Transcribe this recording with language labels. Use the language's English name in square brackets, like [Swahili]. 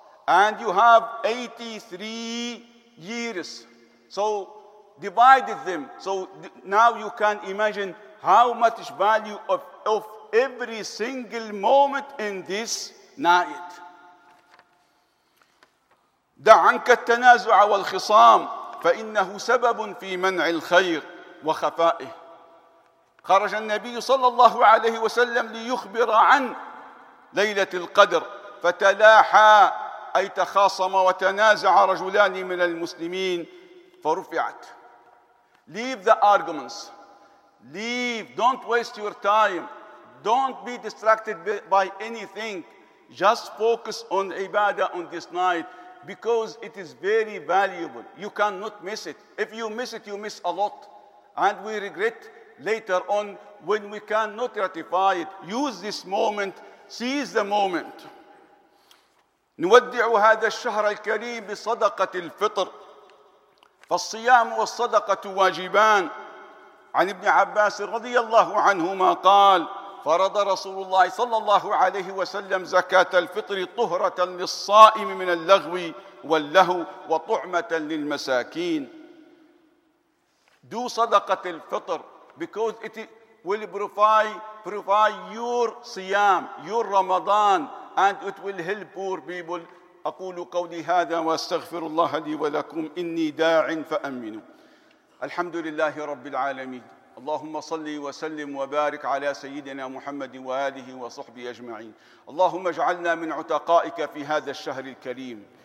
[English] And you have 83 years. So divided them. So now you can imagine how much value of every single moment in this night. [Arabic] دع عنك التنازع والخصام فإنه سبب في منع الخير وخفائه. خرج النبي صلى الله عليه وسلم ليخبر عن ليلة القدر فتلاحى أي تخاصم وتنازع رجلان من المسلمين فرفعت. [English] Leave the arguments. Leave. Don't waste your time. Don't be distracted by anything. Just focus on ibadah on this night. Because it is very valuable. You cannot miss it. If you miss it, you miss a lot. And we regret later on when we cannot ratify it. Use this moment. Seize the moment. [Arabic] نودع هذا الشهر الكريم بصدقة الفطر. فالصيام والصدقة واجبان. عن ابن عباس رضي الله عنهما قال فرض رسول الله صلى الله عليه وسلم زكاة الفطر طهرة للصائم من اللغو واللهو وطعمة للمساكين. [English] Do صدقة الفطر because it will provide your صيام, your Ramadan, and it will help poor people. [Arabic] أقول قولي هذا وأستغفر الله لي ولكم إني داع فأمنوا. الحمد لله رب العالمين. اللهم صل وسلم وبارك على سيدنا محمد وآله وصحبه أجمعين. اللهم اجعلنا من عتقائك في هذا الشهر الكريم.